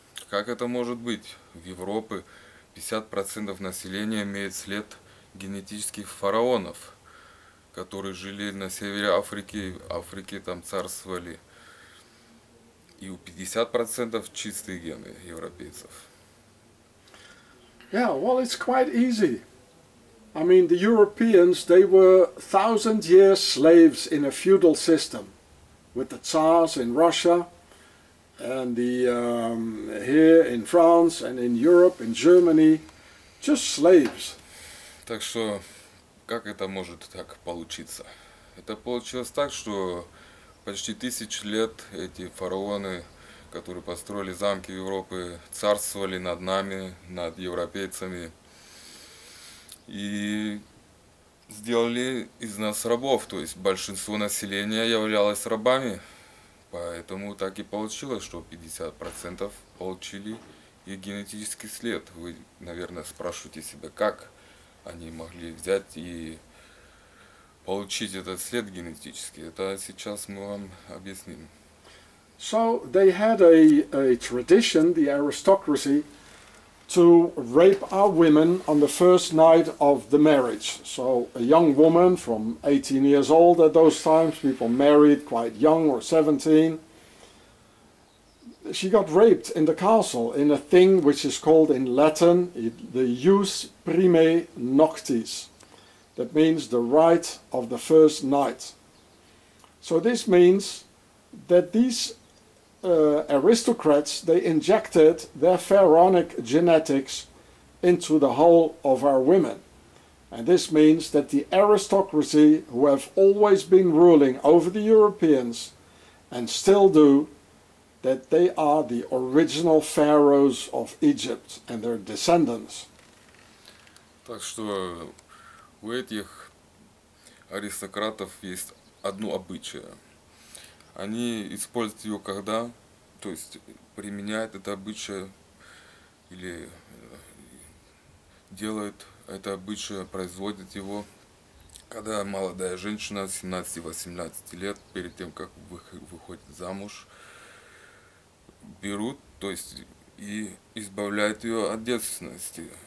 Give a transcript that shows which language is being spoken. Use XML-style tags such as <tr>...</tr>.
<ru>Как это может быть? В Европе 50% населения имеет след генетических фараонов, которые жили на севере Африки, в Африке там царствовали. И у 50% чистые гены европейцев.</ru> <en>Yeah, well, it's quite easy. I mean, the Europeans, they were 1,000-year slaves in a feudal system with the Tsars in Russia and the here in France and in Europe, in Germany, just slaves.</en> <ru>Так что, как это может так получиться? Это получилось так, что почти тысячу лет эти фараоны, которые построили замки Европы, царствовали над нами, над европейцами, и сделали из нас рабов, то есть большинство населения являлось рабами. Поэтому так и получилось, что 50% получили и генетический след. Вы, наверное, спрашиваете себя, как они могли взять и получить этот след генетически. Это сейчас мы вам объясним.</ru> <en>So they had a tradition, the aristocracy, to rape our women on the first night of the marriage. So a young woman from 18 years old at those times, people married quite young or 17, she got raped in the castle in a thing which is called in Latin the</en> <la>jus primae noctis.</la> <en>That means the right of the first night. So this means that these aristocrats, they injected their pharaonic genetics into the whole of our women. And this means that the aristocracy, who have always been ruling over the Europeans, and still do, that they are the original pharaohs of Egypt and their descendants.</en> <ru>Так что у этих аристократов есть одно обычае. Они используют его когда, то есть применяют это обычае или делают это обычае, производят его, когда молодая женщина 17-18 лет, перед тем, как выходит замуж, берут, то есть и избавляют ее от девственности.</ru>